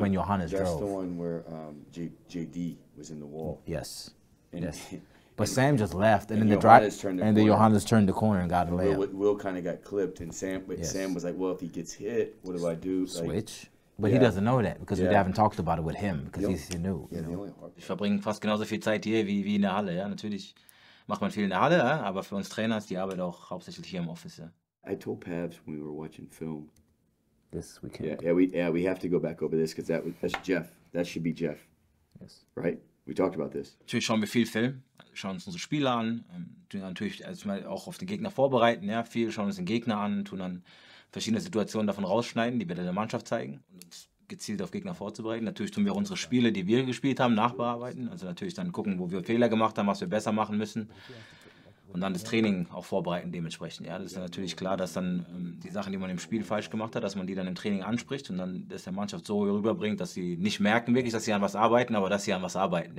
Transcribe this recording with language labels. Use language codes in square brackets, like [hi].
[en] That's the one where JD was in the wall. Yes. And yes. But Sam just left, and then Johannes turned the corner and got a layup. Will kind of got clipped, and Sam was like, well, if he gets hit, what do I do? Switch? Like, but yeah. He doesn't know that, because yeah. We haven't talked about it with him, because he's new. Yeah, you know? [de] Ich verbringe fast genauso viel Zeit hier wie in der Halle. Ja? Natürlich macht man viel in der Halle, ja? Aber für uns Trainer ist die Arbeit auch hauptsächlich hier im Office. Ja? [en] I told Pavs when we were watching film. This weekend. Yeah, we have to go back over this, because that's Jeff. That should be Jeff. Yes. Right? We talked about this. [de] Natürlich schauen wir viel Film. Schauen uns unsere Spiele an, tun natürlich erstmal auch auf den Gegner vorbereiten, ja, viel, schauen uns den Gegner an, tun dann verschiedene Situationen davon rausschneiden, die wir der Mannschaft zeigen, und uns gezielt auf Gegner vorzubereiten. Natürlich tun wir auch unsere Spiele, die wir gespielt haben, nachbearbeiten, also natürlich dann gucken, wo wir Fehler gemacht haben, was wir besser machen müssen und dann das Training auch vorbereiten dementsprechend. Ja, das ist natürlich klar, dass dann die Sachen, die man im Spiel falsch gemacht hat, dass man die dann im Training anspricht und dann das der Mannschaft so rüberbringt, dass sie nicht merken wirklich, dass sie an was arbeiten, aber dass sie an was arbeiten.